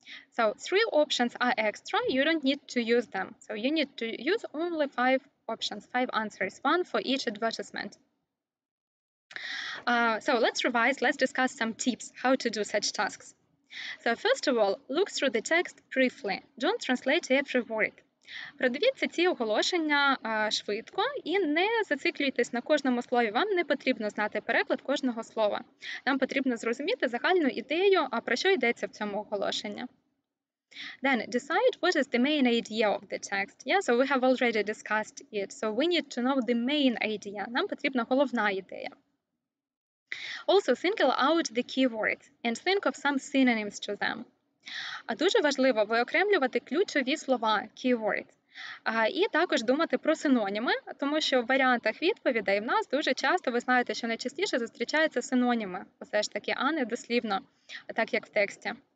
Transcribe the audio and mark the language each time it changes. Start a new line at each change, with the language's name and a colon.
English: So three options are extra, you don't need to use them. So you need to use only five options, five answers, one for each advertisement. So let's revise, let's discuss some tips how to do such tasks. So first of all, look through the text briefly. Don't translate every word.
Ukrainian: Продивіться ці оголошення швидко і не зациклюйтесь на кожному слові. Вам не потрібно знати переклад кожного слова. Нам потрібно зрозуміти загальну ідею, а про що йдеться в цьому оголошенні.
English: Then decide what is the main idea of the text. Yeah, so we have already discussed it. So we need to know the main idea.
Ukrainian: Нам потрібна головна ідея.
English: Also single out the keywords and think of some synonyms to them.
Ukrainian: А дуже важливо виокремлювати ключові слова, keywords. І також думати про синоніми, тому що в варіантах відповідей в нас дуже часто, ви знаєте, що найчастіше зустрічаються синоніми, все ж таки, а не дослівно, так як в тексті.